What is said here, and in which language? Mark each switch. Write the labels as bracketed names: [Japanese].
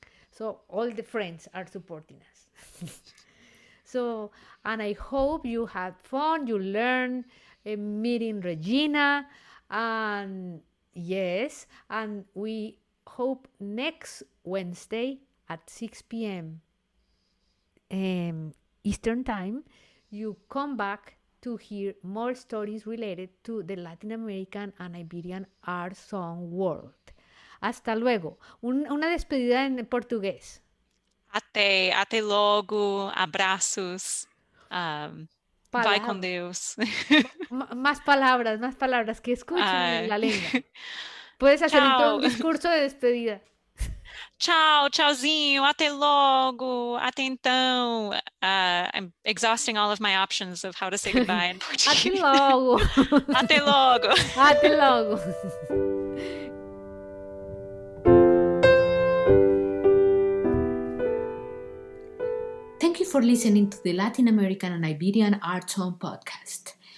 [English] So all the friends are supporting us. So, and I hope you had fun, you learned meeting Regina, and yes, and we hope next Wednesday at 6 p.m. Eastern Time, you come back to hear more stories related to the Latin American and Iberian art song world. [Spanish] Hasta luego. Una despedida en portugués. [Portuguese] Até logo, abraços, vai com Deus. [Spanish] más palabras, que escuchen la lengua. Puedes hacer un discurso de despedida. [Portuguese] Tchau, tchauzinho, até logo, até então. [English] I'm exhausting all of my options of how to say goodbye in Portuguese. [Portuguese] Até logo. Até logo. Até logo. [English] Thank you for listening to the Latin American and Iberian Art Song Podcast.